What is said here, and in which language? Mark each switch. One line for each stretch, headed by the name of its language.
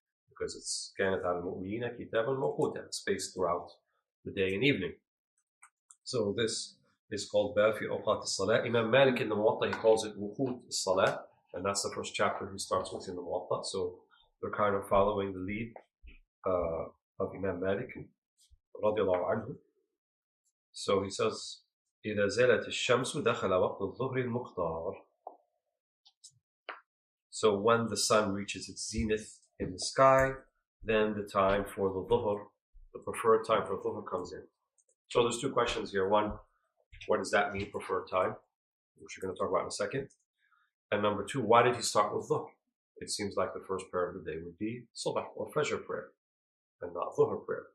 English: Because it's
Arabic: كَانَتْ عَلَى الْمُؤْمِنِينَ كِتَابًا مَوْقُوتًا,
English: spaced throughout the day and evening. So this is called Bab fi Awqat as-Salah. Imam Malik in the Muwatta, he calls it Wuqut as-Salah, and that's the first chapter he starts with in the Muwatta. So they're kind of following the lead of Imam Malik, radiallahu anhu. So he says,
Arabic: إِذَا زَلَتِ الشَّمْسُ دَخَلَ وَقْتُ الظُّهْرِ الْمُقْتَارِ.
English: So when the sun reaches its zenith in the sky, then the time for the dhuhr, the preferred time for dhuhr, comes in. So there's two questions here. One, what does that mean, preferred time, which we're going to talk about in a second? And number two, why did he start with dhuhr? It seems like the first prayer of the day would be subah, or fajr prayer, and not dhuhr prayer.